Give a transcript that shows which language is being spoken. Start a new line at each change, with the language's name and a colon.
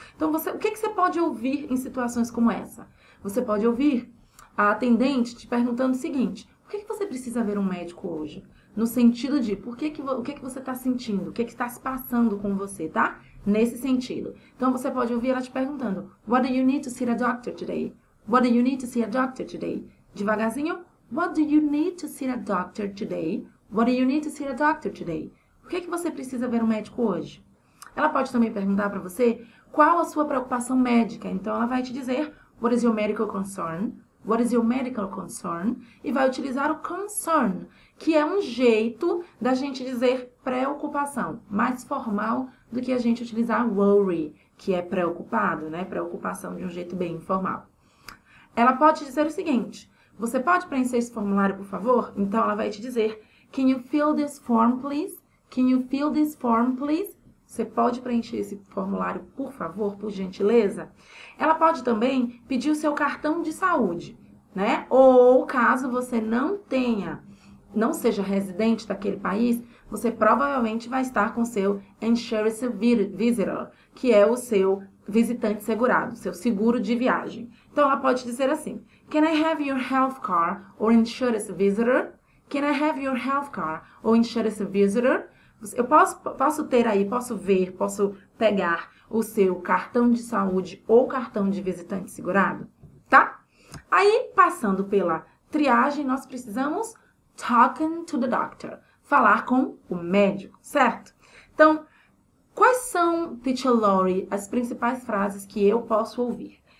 Portuguese: Então, o que que você pode ouvir em situações como essa? Você pode ouvir a atendente te perguntando o seguinte: por que que você precisa ver um médico hoje? No sentido de, o que que você está sentindo? O que que está se passando com você, tá? Nesse sentido. Então, você pode ouvir ela te perguntando:
English: What do you need to see a doctor today? What do you need to see a doctor today?
Portuguese: Devagarzinho:
English: What do you need to see a doctor today? What do you need to see a doctor today?
Portuguese: O que que você precisa ver um médico hoje? Ela pode também perguntar para você qual a sua preocupação médica. Então, ela vai te dizer
English: What is your medical concern? What is your medical concern?
Portuguese: E vai utilizar o concern, que é um jeito da gente dizer preocupação, mais formal do que a gente utilizar worry, que é preocupado, né? Preocupação de um jeito bem informal. Ela pode dizer o seguinte: Você pode preencher esse formulário, por favor? Então, ela vai te dizer
English: Can you fill this form, please? Can you fill this form, please?
Portuguese: Você pode preencher esse formulário, por favor, por gentileza? Ela pode também pedir o seu cartão de saúde, né? Ou caso você não seja residente daquele país, você provavelmente vai estar com seu insurance visitor, que é o seu visitante segurado, seu seguro de viagem. Então ela pode dizer assim:
English: Can I have your health card or insurance visitor? Can I have your health card or insurance visitor?
Portuguese: Eu posso ter aí, posso ver, posso pegar o seu cartão de saúde ou cartão de visitante segurado, tá? Aí, passando pela triagem, nós precisamos
English: talking to the doctor,
Portuguese: falar com o médico, certo? Então, quais são, Teacher Lori, as principais frases que eu posso ouvir?